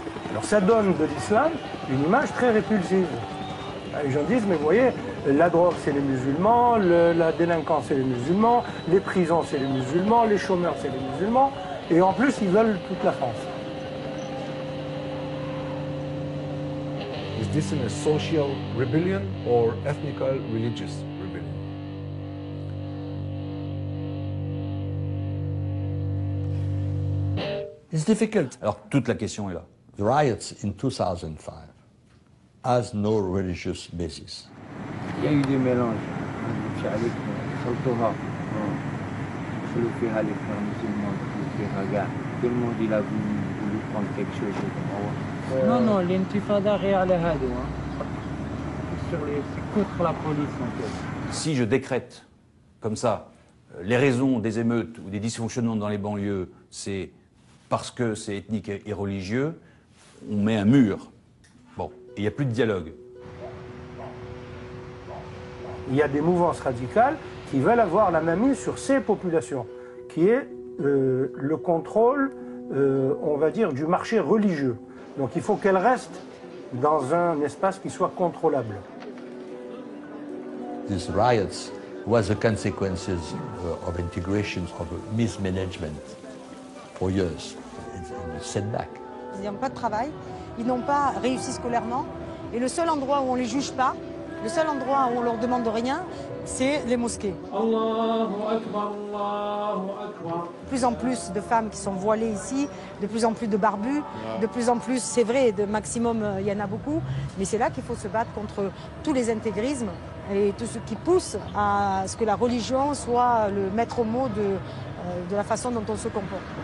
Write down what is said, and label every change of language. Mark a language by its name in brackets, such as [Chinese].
[French] Alors ça donne de l'islam une image très répulsive. Les gens disent mais voyez, la drogue c'est les musulmans, la délinquance c'est les musulmans, les prisons c'est les musulmans, les chômeurs c'est les musulmans et en plus ils veulent toute la France. [English] Is this in a social rebellion or ethnical religious rebellion? It's difficult. [French] Alors toute la question est là. [English] The riots in 2005 has no religious basis. [French] Il y a eu des mélanges. Tout le monde il a voulu prendre quelque chose. Non, l'intifada réelle est là. C'est contre la police en fait. Si je décrète comme ça les raisons des émeutes ou des dysfonctionnements dans les banlieues, c'est parce que c'est ethnique et religieux, on met un mur. Bon, il n'y a plus de dialogue. Il y a des mouvances radicales qui veulent avoir la mainmise sur ces populations, qui est le contrôle on va dire, du marché religieux. Donc il faut qu'elle reste dans un espace qui soit contrôlable. [English] These riots were the consequences of integrations of mismanagement for years. It's a setback. [French] Ils n'ont pas de travail, ils n'ont pas réussi scolairement, et le seul endroit où on les juge pas, le seul endroit où on leur demande rien, c'est les mosquées. [Arabic] Allahu Akbar, Allahu Akbar. [French] De plus en plus de femmes qui sont voilées ici, de plus en plus de barbus, de plus en plus, c'est vrai, de maximum, il y en a beaucoup, mais c'est là qu'il faut se battre contre tous les intégrismes et tout ce qui pousse à ce que la religion soit le maître mot de la façon dont on se comporte.